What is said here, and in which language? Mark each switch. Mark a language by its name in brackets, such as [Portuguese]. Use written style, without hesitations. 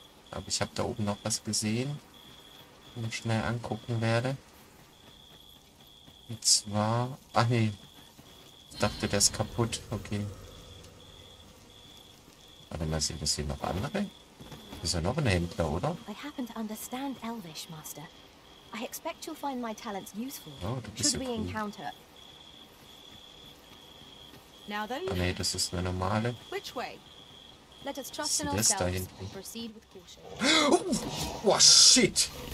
[German] Aber ich hab da oben noch was gesehen. Und schnell angucken werde. Und zwar. Ach nee. Ich dachte, der ist kaputt. Okay. Warte mal, sind das hier noch andere? Ist ja noch ein Händler, oder? [English] I happen to understand Elvish, Master. I expect you'll find my talents useful. [German] Oh, du bist [English] should [German] ja [English] we cool. Encounter? [German] Ah, nee, das ist eine normale. [English] Which way? Let us trust in ourselves and proceed with caution. Oh, shit!